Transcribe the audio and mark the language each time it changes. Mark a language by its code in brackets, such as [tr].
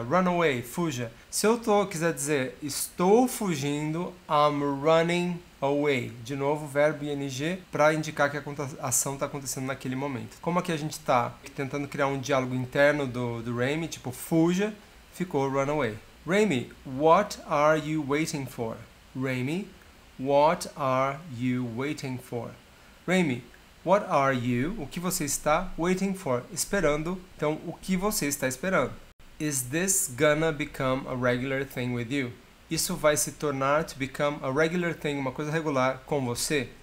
[en] Run away, [pt] fuja. Se eu quiser dizer, estou fugindo, [en] I'm running away. [pt] De novo, verbo ing para indicar que a ação está acontecendo naquele momento. Como aqui a gente está tentando criar um diálogo interno do Remy, tipo fuja, ficou [en] run away. Remy, what are you waiting for? Remy, what are you waiting for? [pt] Raimi, [en] what are you, [pt] o que você está [en] waiting for, [pt] esperando, então o que você está esperando? [en] Is this gonna become a regular thing with you? [pt] Isso vai se tornar [en] to become a regular thing, [pt] uma coisa regular com você?